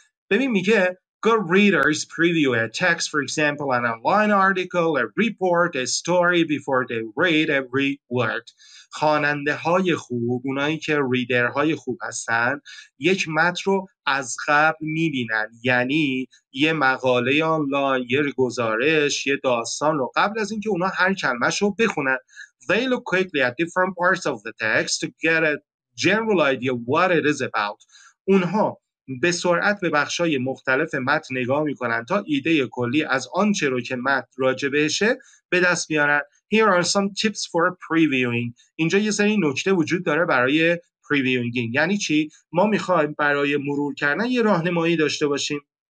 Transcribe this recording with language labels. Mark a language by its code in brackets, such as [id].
[fa] ببین میگه [en] good readers preview a text, for example, an online article, a report, a story before they read every word. [fa] خواننده های خوب، اونایی که ریدرهای خوب هستن، یک متن رو از قبل میبینن، یعنی یه مقاله آنلاین، یه گزارش، یه داستان رو قبل از اینکه اونا هر کلمه‌شو بخونن. [en] They look quickly at different parts of the text to get a general idea of what it is about. [fa] اونها به سرعت به بخشای مختلف متن نگاه میکنن تا ایده کلی از آنچه رو که متن راجع بهشه به دست بیارن. [en] Here are some tips for previewing. [fa] اینجا یه سری نکته وجود داره برای previewing. یعنی چی؟ ما میخوایم برای مرور کردن یه راهنمایی داشته باشیم.